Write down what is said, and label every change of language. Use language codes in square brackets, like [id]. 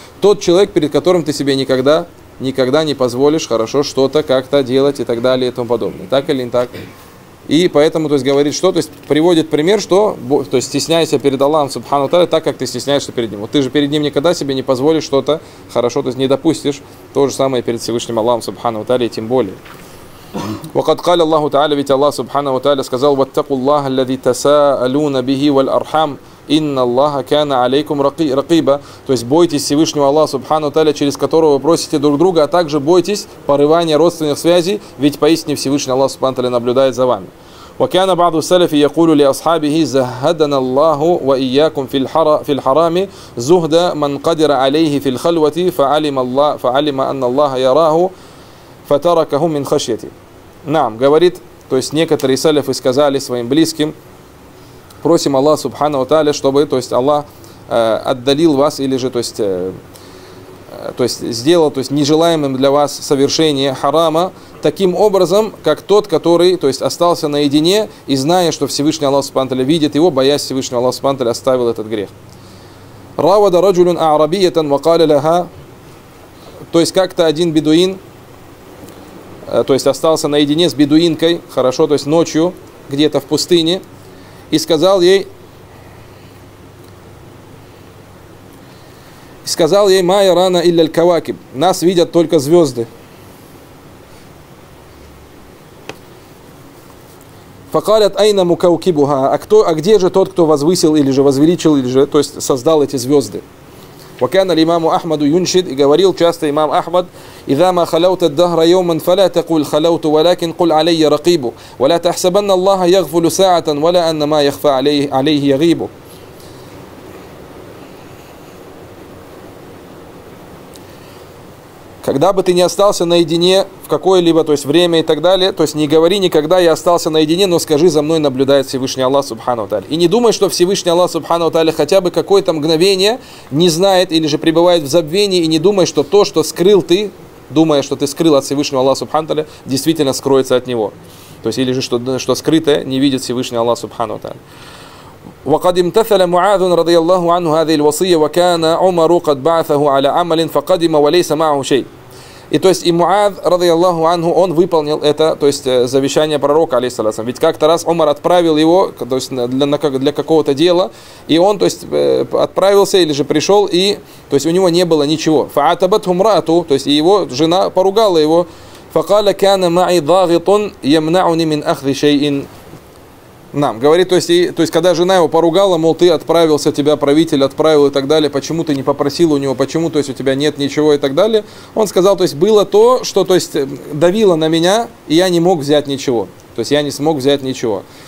[ru] Тот человек, перед которым ты себе никогда, никогда не позволишь хорошо что-то как-то делать и так далее и тому подобное. Так или не так? И поэтому, то есть, говорит что? То есть, приводит пример, что, то есть, стесняйся перед Аллахом, субхану тааля, так, как ты стесняешься перед ним. Вот ты же перед ним никогда себе не позволишь что-то хорошо, то есть, не допустишь то же самое перед Всевышним Аллахом, субхану тааля, тем более. [ar] وقد قال الله تعالى [ru] ведь Аллах Субханаху ва Тааля сказал [ar] واتقوا الله الذي تساءلون به والأرحام إن الله كان عليكم رقيبا. [ru] То есть бойтесь Всевышнего Аллаха Субханаху ва Тааля, через которого вы просите друг друга, а также бойтесь порывания родственных связей, ведь поистине Всевышний Аллах Субханаху ва Тааля наблюдает за вами. [ar] وكان بعض السلف يقول لأصحابه زهدنا الله وإياكم في الحرام زهد من قدر عليه في الخلوة فعلم أن الله يراه فَتَرَكَهُمْ مِنْ خَشْيَتِ. [ru] Нам, говорит, то есть некоторые салифы сказали своим близким, просим Аллах Субханаху Тааля, чтобы, то есть Аллах отдалил вас, или же, то есть сделал, то есть нежелаемым для вас совершение харама, таким образом, как тот, который, то есть остался наедине, и зная, что Всевышний Аллах Субханаху Тааля видит его, боясь Всевышнего Аллаха Субханаху Тааля, оставил этот грех. [ar] رَوَدَ رَجُلٌ أَعْرَبِيَّةً وَقَالَ لَهَا. [ru] То есть как-то один бедуин, то есть остался наедине с бедуинкой, хорошо, то есть ночью, где-то в пустыне, и сказал ей, [ar] «Ма ярана илля аль-кавакиб», [ru] «Нас видят только звезды». [ar] «Факалят айна мукаукибуха», [ru] «А где же тот, кто возвысил или же возвеличил, или же, то есть создал эти звезды?» [ar] وَكَانَ الْإِمَامُ أَحْمَدُ يُنْشِدُ. [ru] И говорил часто имам Ахмад, [ar] إِذَا مَا خَلَوْتَ الدَّهْرَ يَوْمًا فَلَا تَقُلْ خَلَوْتُ وَلَكِنْ قُلْ عَلَيَّ رَقِيبُ وَلَا تَحْسَبَنَّ اللَّهَ يَغْفُلُ سَاعَةً وَلَا أَنَّ مَا يَخْفَى عَلَيْهِ يَغِيبُ. [ru] Когда бы ты не остался наедине в какое-либо, то есть время и так далее, то есть не говори никогда «я остался наедине», но скажи «за мной наблюдает Всевышний Аллах Субхану Тааля». И не думай, что Всевышний Аллах Субхану Тааля хотя бы какое-то мгновение не знает или же пребывает в забвении, и не думай, что то, что скрыл ты, думая, что ты скрыл от Всевышнего Аллаха Субхану Тааля, действительно скроется от него. То есть или же что скрытое не видит Всевышний Аллах Субхану Тааля. [ar] وقد امتثل معاذ رضي الله عنه هذه الوصية وكان عمر قد بعثه على عمل فقدم وليس معه شيء. [ru] И то есть и Муаз, [ar] رضي الله عنه, [ru] он выполнил это, то есть завещание пророка, алейхиссалям. Ведь как-то раз Умар отправил его, то есть для какого-то дела, и он, то есть отправился или же пришел, и то есть у него не было ничего. [ar] فعاتبته امرأته, [ru] то есть и его жена поругала его. [ar] فقال كان معي ضاغط يمنعني من أخذ شيء. [ru] Нам, говорит, то есть, когда жена его поругала, мол, ты отправился, тебя правитель отправил и так далее, почему ты не попросил у него, почему, то есть, у тебя нет ничего и так далее, он сказал, то есть, было то, что, то есть, давило на меня, и я не мог взять ничего, то есть, я не смог взять ничего.